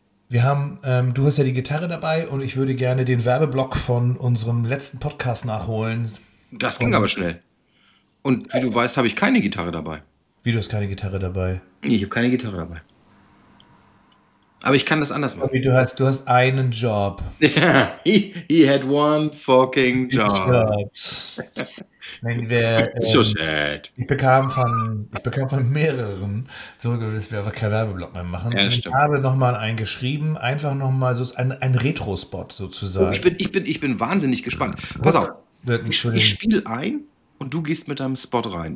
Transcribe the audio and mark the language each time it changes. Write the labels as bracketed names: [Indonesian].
[German] Wir haben, du hast ja die Gitarre dabei und ich würde gerne den Werbeblock von unserem letzten Podcast nachholen. Das ging aber schnell. Und wie du weißt, habe ich keine Gitarre dabei. Wie, du hast keine Gitarre dabei? Nee, ich habe keine Gitarre dabei. Aber ich kann das anders machen. Du hast einen Job. [English] Yeah, he had one fucking job. So sad. [German] Ich bekam von mehreren, so gewiss, wir einfach keinen Werbeblock mehr machen. Ja, stimmt. Ich habe nochmal einen geschrieben, einfach nochmal so ein Retro-Spot sozusagen. Oh, ich bin wahnsinnig gespannt. Pass auf. Ich spiele ein und du gehst mit deinem Spot rein.